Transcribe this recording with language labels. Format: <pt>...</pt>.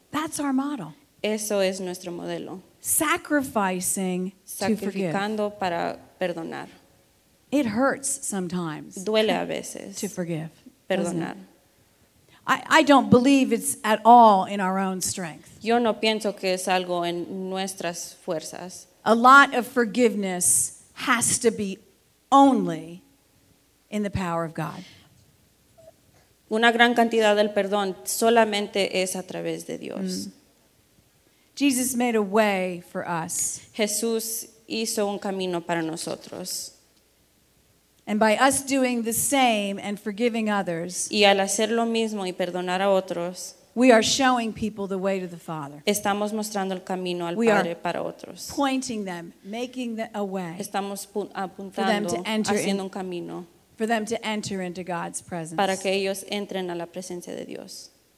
<en>That's our model.</en> <es>Eso es nuestro modelo.</es> <en>Sacrificing to forgive.</en> <es>Sacrificando para perdonar.</es> <en>It hurts sometimes.</en> <es>Duele a veces.</es> <en>To forgive.</en> <es>Perdonar.</es> <en>I don't believe it's at all in our own strength.</en> <es>Yo no pienso que es algo en nuestras fuerzas.</es> <en>A lot of forgiveness has to be only in the power of God.</en> <es>Una gran cantidad del perdón solamente es a través de Dios.</es> <en>Jesus made a way for us.</en> <es>Jesús hizo un camino para nosotros.</es> <en>And by us doing the same and forgiving others,</en> <es>y al hacer lo mismo y perdonar a otros,</es> <en>we are showing people the way to the Father.</en> <es>Estamos mostrando el camino al Padre para otros.</es> <en>We are pointing them, making a way.</en> <es>Estamos apuntando, haciendo un camino.</es> <en>For them to enter into God's presence.</en> <es>Para que ellos entren a la presencia de Dios.</es>